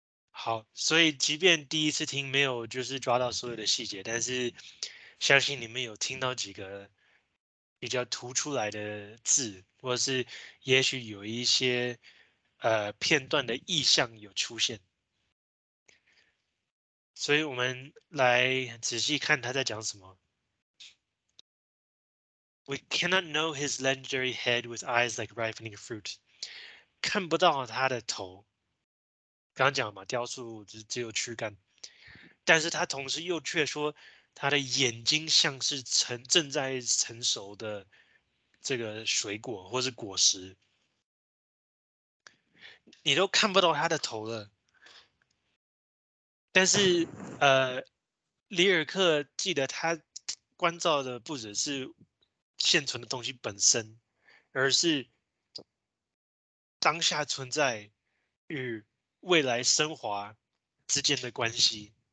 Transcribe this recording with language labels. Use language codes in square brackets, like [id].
[zh] 好，所以即便第一次听没有就是抓到所有的细节，但是相信你们有听到几个比较突出来的字，或是也许有一些片段的意象有出现。所以我们来仔细看他在讲什么。 [en] We cannot know his legendary head with eyes like ripening fruit。 [zh] 看不到他的头。刚刚讲嘛，雕塑只有躯干，但是他同时又却说他的眼睛像是正在成熟的这个水果或是果实。你都看不到他的头了，但是里尔克记得他关照的不只是现存的东西本身，而是当下存在与未来升华之间的关系。